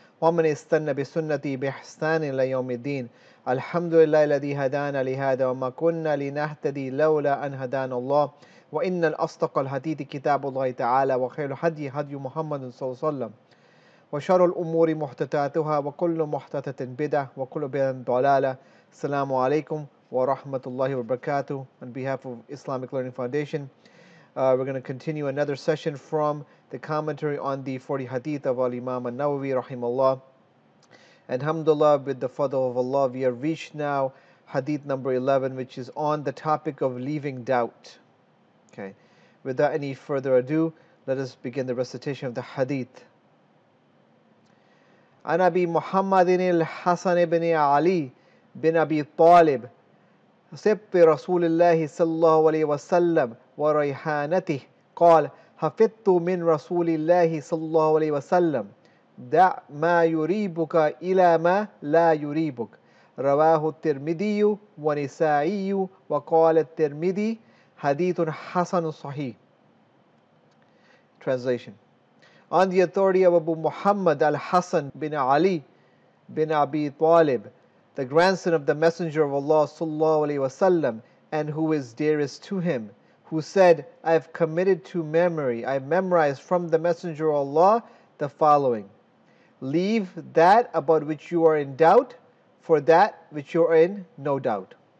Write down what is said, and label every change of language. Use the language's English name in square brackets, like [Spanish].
[Arabic] ومن استنى بسنتي بإحسان إلى يوم الدين الحمد لله الذي هدانا لهذا وما كنا لنهتدي لولا أن هدانا الله وإن الأصدق الحديث كتاب الله تعالى وخير الهدي هدي محمد صلى الله عليه وسلم وشر الأمور محدثاتها وكل محدثة بدعة وكل بدعة ضلالة السلام عليكم ورحمة الله وبركاته. [English] On behalf of Islamic Learning Foundation, we're going to continue another session from the commentary on the 40 hadith of Al-Imam Al-Nawawi rahimahullah. And alhamdulillah, with the fadl of Allah, we have reached now hadith number 11, which is on the topic of leaving doubt. Okay, without any further ado, let us begin the recitation of the hadith. [Arabic] An Abi Muhammadin al-Hasan ibn Ali bin Abi Talib sibti Rasulullah sallallahu alayhi wa sallam wa rayhanatih qal حفظت من رسول الله صلى الله عليه وسلم دع ما يريبك إلى ما لا يريبك رواه الترمذي ونسائي وقال الترمذي حديث حسن صحيح. [English] Translation: On the authority of Abu Muhammad al-Hasan bin Ali bin Abi Talib, the grandson of the Messenger of Allah [Arabic] صلى الله عليه وسلم, [English] and who is dearest to him, who said, I have committed to memory, I memorized from the Messenger of Allah the following: leave that about which you are in doubt for that which you are in no doubt.